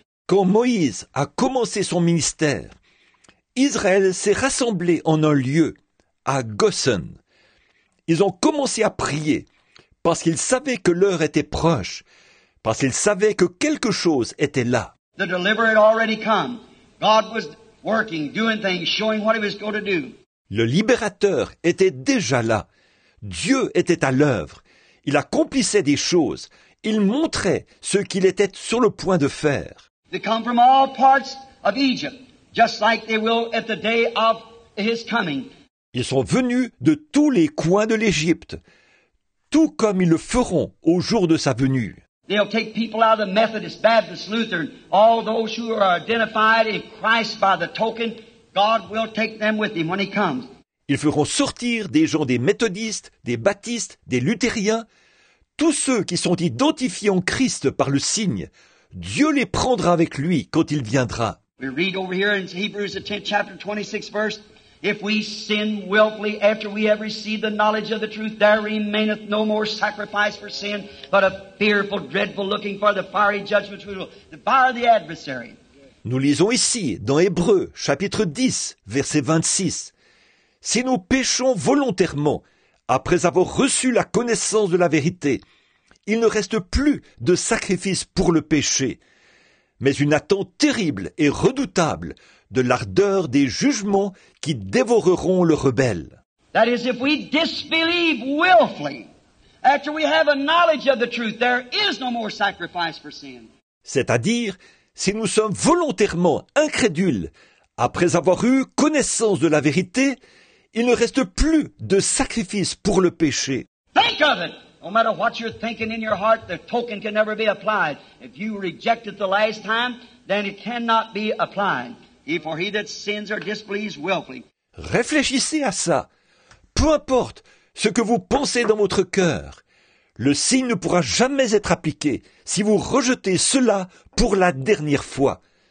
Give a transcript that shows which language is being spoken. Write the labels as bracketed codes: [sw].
[fr] Quand Moïse a commencé son ministère, Israël s'est rassemblé en un lieu, à Goshen. Ils ont commencé à prier parce qu'ils savaient que l'heure était proche, parce qu'ils savaient que quelque chose était là. [en] The deliverer had already come. God was working, doing things, showing what he was going to do. [fr] Le libérateur était déjà là. Dieu était à l'œuvre. Il accomplissait des choses. Il montrait ce qu'il était sur le point de faire. [en] They come from all parts of Egypt, just like they will at the day of his coming. [fr] Ils sont venus de tous les coins de l'Égypte, tout comme ils le feront au jour de sa venue. [en] They'll take people out of the Methodist, Baptist, Lutheran, all those who are identified in Christ by the token, God will take them with him when he comes. [fr] Ils feront sortir des gens des méthodistes, des baptistes, des luthériens, tous ceux qui sont identifiés en Christ par le signe. Dieu les prendra avec lui quand il viendra. [en] We read over here in Hebrews 10, chapter 26, verse, if we sin willfully after we have received the knowledge of the truth, there remaineth no more sacrifice for sin, but a fearful, dreadful looking for the fiery judgment which will devour the adversary. [fr] Nous lisons ici dans Hébreux, chapitre 10, verset 26. Si nous péchons volontairement, après avoir reçu la connaissance de la vérité, il ne reste plus de sacrifice pour le péché, mais une attente terrible et redoutable de l'ardeur des jugements qui dévoreront le rebelle. [en] That is, if we disbelieve willfully, after we have a knowledge of the truth, there is no more sacrifice for sin. [fr] C'est-à-dire, si nous sommes volontairement incrédules, après avoir eu connaissance de la vérité, il ne reste plus de sacrifice pour le péché. [en] Think of it! No matter what you're thinking in your heart, the token can never be applied. If you reject it the last time, then it cannot be applied. For he that sins or disbelieves willfully. [fr] Réfléchissez à ça. Peu importe ce que vous pensez dans votre cœur, le signe ne pourra jamais être appliqué si vous rejetez cela pour la dernière fois.